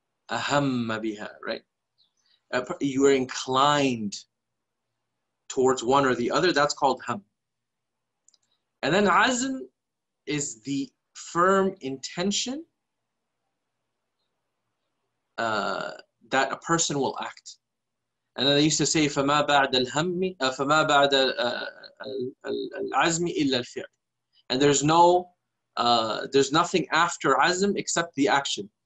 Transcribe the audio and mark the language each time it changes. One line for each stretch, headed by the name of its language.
English: Ahamma biha, right? You are inclined towards one or the other, that's called ham. And then azm is the firm intention that a person will act.
Arabic: And then they used to say, فَمَا بَعْدَ الْهَمِّ فَمَا بَعْدَ الْعَزْمِ إِلَّا الْفِعْلِ.
English: And there's no, there's nothing after azm except the action.